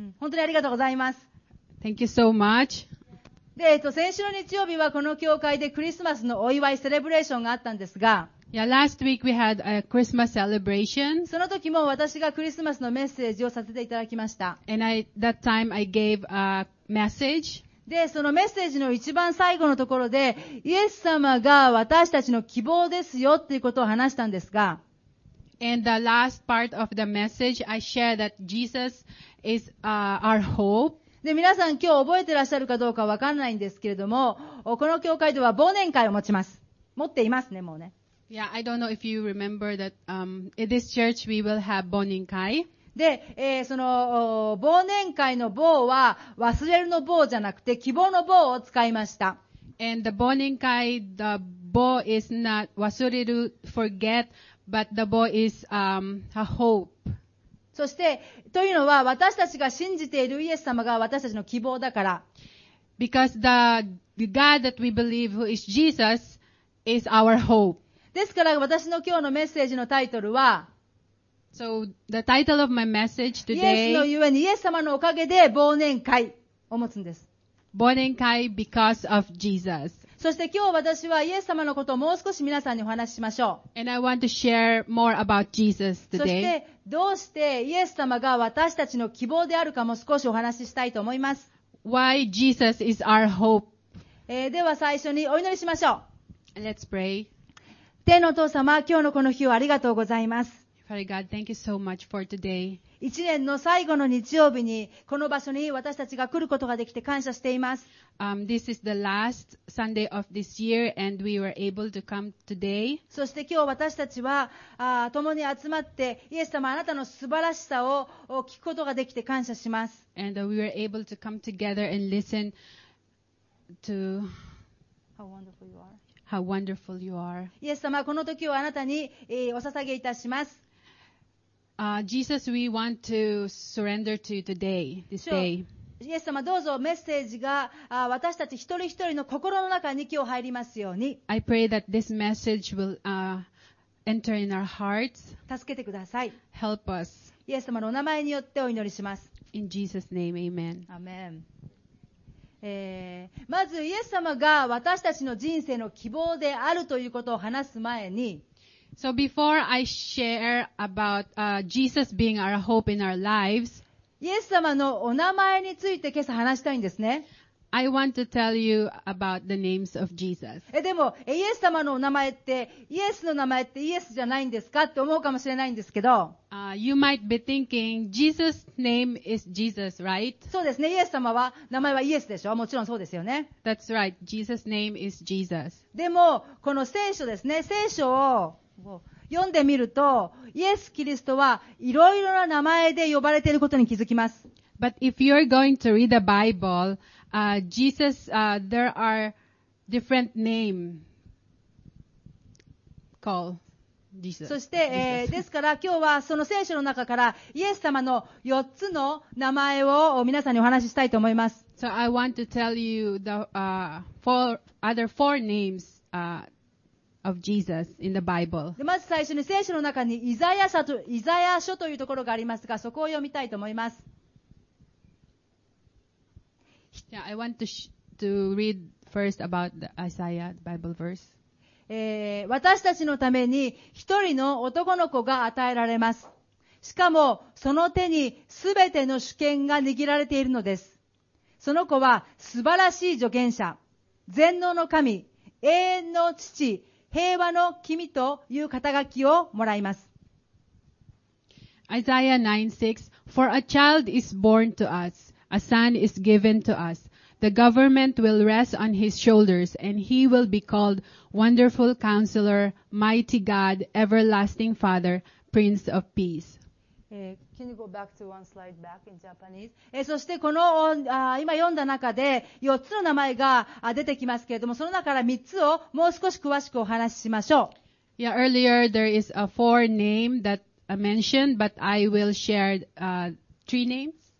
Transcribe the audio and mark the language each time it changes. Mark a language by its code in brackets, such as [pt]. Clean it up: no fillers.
[ja] 本当にありがとうございます。 [en] Thank you so much. [ja] で、先週の日曜日はこの教会でクリスマスのお祝いセレブレーションがあったんですが、 [en] Yeah, last week we had a Christmas celebration. [ja] その時も私がクリスマスのメッセージをさせていただきました。 [en] And I, that time I gave a message. [ja] で、そのメッセージの一番最後のところで、イエス様が私たちの希望ですよっていうことを話したんですが、 [en] In the last part of the message, I share that Jesus is our hope. [ja] で、皆さん今日覚えてらっしゃるかどうかわかんないんですけれども、この教会では忘年会を持ちます。持っていますね、もうね。 [en] Yeah, I don't know if you remember that, in this church we will have 忘年会。 [ja] で、その、忘年会の忘は忘れるの忘じゃなくて希望の忘を使いました。 [en] And the 忘年会、the 忘 is not 忘れる、forget, but the 忘 is, a hope. [ja] そして、というのは私たちが信じているイエス様が私たちの希望だから。 [en] Because the God that we believe who is Jesus is our hope. [ja] ですから私の今日のメッセージのタイトルは、 [en] So the title of my message today, [ja] イエスのゆえにイエス様のおかげで忘年会を持つんです。 [en] 忘年会 because of Jesus. [ja] そして今日私はイエス様のことをもう少し皆さんにお話ししましょう。 [en] And I want to share more about Jesus today. [ja] そしてどうしてイエス様が私たちの希望であるかも少しお話ししたいと思います。 [en] Why Jesus is our hope. [ja] では最初にお祈りしましょう。 [en] Let's pray. [ja] 天のお父様、今日のこの日をありがとうございます。 [en] Father God, thank you so much for today. [ja] 一年の最後の日曜日に、この場所に私たちが来ることができて感謝しています。 [en] This is the last Sunday of this year and we were able to come today. [ja] そして今日私たちは、共に集まって、イエス様あなたの素晴らしさを聞くことができて感謝します。 [en] And we were able to come together and listen to how wonderful you are. How wonderful you are. [ja] イエス様、この時をあなたに、お捧げいたします。 [en] Jesus, we want to surrender to you today, this day. [ja] イエス様、どうぞメッセージが、私たち一人一人の心の中に今日入りますように。 [en] I pray that this message will, enter in our hearts. [ja] 助けてください。 [en] Help us. [ja] イエス様のお名前によってお祈りします。 [en] In Jesus' name, amen. Amen. [ja] まずイエス様が私たちの人生の希望であるということを話す前に、 [en] So before I share about, Jesus being our hope in our lives, [ja] イエス様のお名前について今朝話したいんですね。 [en] I want to tell you about the names of Jesus. [ja] でも、イエス様のお名前って、イエスの名前ってイエスじゃないんですかって思うかもしれないんですけど。 [en] You might be thinking, Jesus' name is Jesus, right? [ja] そうですね。イエス様は、名前はイエスでしょ。もちろんそうですよね。 [en] That's right. Jesus' name is Jesus. [ja] でも、この聖書ですね。聖書を読んでみると、イエス・キリストはいろいろな名前で呼ばれていることに気づきます。 [en] But if you're going to read the Bible,Jesus, there are different name call Jesus. [ja] そして、ですから今日はその聖書の中からイエス様の4つの名前を皆さんにお話ししたいと思います。 [en] So I want to tell you the, four names, of Jesus in the Bible. [ja] で、まず最初に聖書の中にイザヤ書というところがありますが、そこを読みたいと思います。 [en] Yeah, I want to read first about the Isaiah Bible verse. [ja] 私たちのために一人の男の子が与えられます。しかもその手にすべての主権が握られているのです。その子は素晴らしい助言者、全能の神、永遠の父、平和の君という肩書きをもらいます。 [en] Isaiah 9:6, For a child is born to us. A son is given to us. The government will rest on his shoulders and he will be called Wonderful Counselor, Mighty God, Everlasting Father, Prince of Peace. Can you go back to one slide back in Japanese? [ja] そしてこの今読んだ中で4つの名前が出てきますけれども、その中から3つをもう少し詳しくお話ししましょう。 [en] Yeah, earlier there is a four name that I mentioned, but I will share, three names.